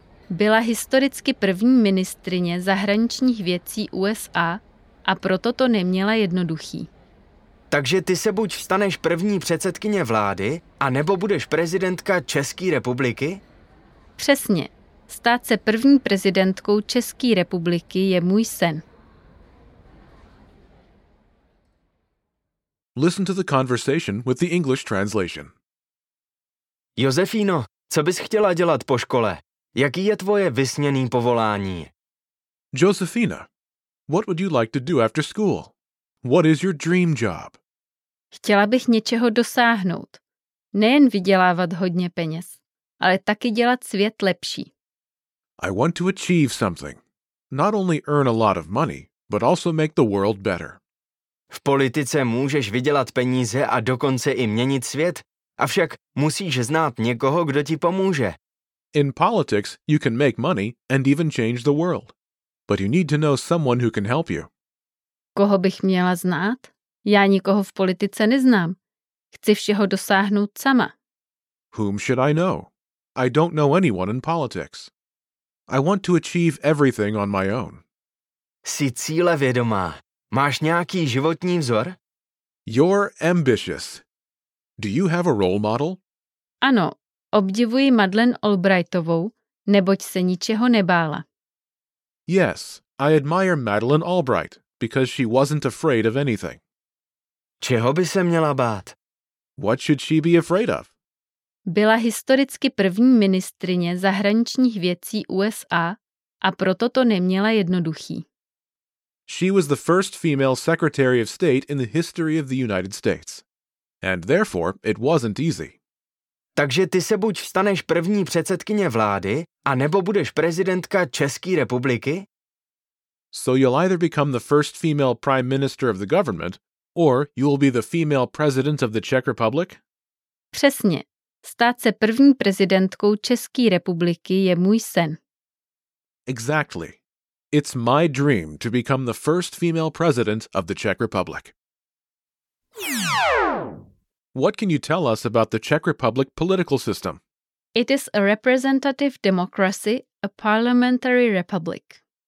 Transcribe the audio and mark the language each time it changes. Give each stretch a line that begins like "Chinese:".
Czech: Byla historicky první ministryně zahraničních věcí USA a proto to neměla jednoduchý. Takže ty se buď staneš první předsedkyně vlády, anebo budeš prezidentka České republiky? Přesně. Stát se první prezidentkou České republiky je můj sen.
English: Listen to the conversation with the English translation.
Czech: Josefino, co bys chtěla dělat po škole? Jaký je tvoje vysněné povolání?
English: Josefina, what would you like to do after school? What is your dream job?
Czech: Chtěla bych něčeho dosáhnout. Nejen vydělávat hodně peněz, ale taky dělat svět lepší.
English: I want to achieve something. Not only earn a lot of money, but also make the world better.
Czech: V politice můžeš vydělat peníze a dokonce i měnit svět, avšak musíš znát někoho, kdo ti pomůže.
English: In politics, you can make money and even change the world. But you need to know someone who can help you.
Czech: Koho bych měla znát? Já nikoho v politice neznám. Chci všeho dosáhnout sama.
English: Whom should I know? I don't know anyone in politics. I want to achieve everything on my own.
Czech: Jsi cílevědomá. Máš nějaký životní vzor?
English: You're ambitious. Do you have a role model?
Czech: Ano, obdivuji Madeleine Albrightovou, neboť se ničeho nebála.
English: Yes, I admire Madeleine Albright, because she wasn't afraid of anything.
Czech: Čeho by se měla bát?
English: What should she be afraid of?
Czech: Byla historicky první ministryně zahraničních věcí USA a proto to neměla jednoduchý.
English: She was the first female Secretary of State in the history of the United States. And therefore, it wasn't easy.
Czech: Takže ty se buď staneš první předsedkyně vlády, anebo budeš prezidentka České republiky?
English: So you'll either become the first female prime minister of the government, or you will be the female president of the Czech Republic?
Czech: Přesně. Stát se první prezidentkou České republiky je můj sen.
English: Exactly. It's my dream to become the first female president of the Czech Republic. What can you tell us about the Czech Republic political system? It is a representative democracy, a parliamentary republic.